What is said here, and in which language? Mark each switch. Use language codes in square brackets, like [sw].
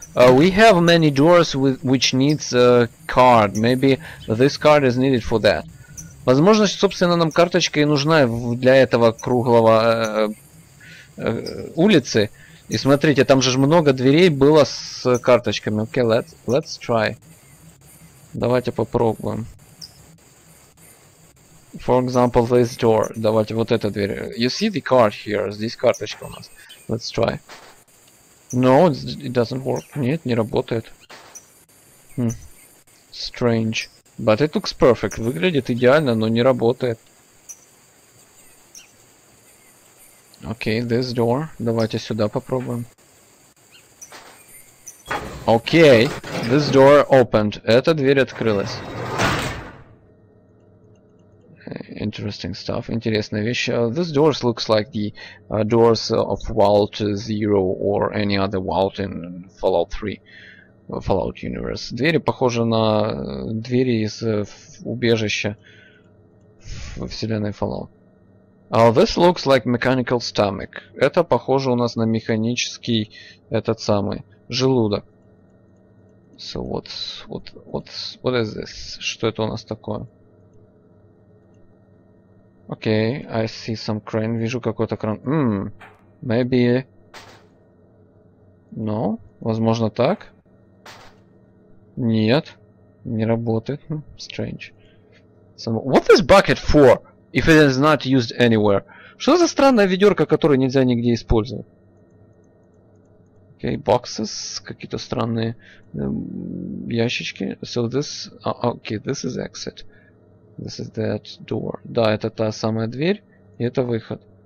[en] We have many doors which needs a card. Maybe this card is needed for that. [ru] Возможно, собственно, нам карточка и нужна для этого круглого улицы. И смотрите, там же много дверей было с карточками. [en] Okay, let's try. [ru] Давайте попробуем. [en] For example, this door. [ru] Давайте вот эта дверь. [en] You see the card here. [ru] Здесь карточка у нас. [en] Let's try. No, it doesn't work. [ru] Нет, не работает. [en] Strange. But it looks perfect. [ru] Выглядит идеально, но не работает. [en] Okay, this door. [ru] Давайте сюда попробуем. [en] Okay, this door opened. [ru] Эта дверь открылась. [en] Interesting stuff. [ru] Интересная вещь. [en] These doors looks like the doors of Vault Zero or any other vault in Fallout 3, Fallout Universe. [ru] Двери похожи на двери из убежища во вселенной Fallout. [en] This looks like mechanical stomach. [ru] Это похоже у нас на механический этот самый желудок. [en] So what is this? [ru] Что это у нас такое? [en] Окей, okay, I see some crane. [ru] Вижу какой-то кран. [en] Maybe. No? [ru] Возможно так? Нет. Не работает. [en] Strange. Some... What is bucket for, if it is not used anywhere? [ru] Что за странная ведерко, которую нельзя нигде использовать? [en] Окей, okay, boxes. [ru] Какие-то странные ящички. [en] So this... Okay, this is exit. This is that door. [ru] Да, это та самая дверь, и это выход.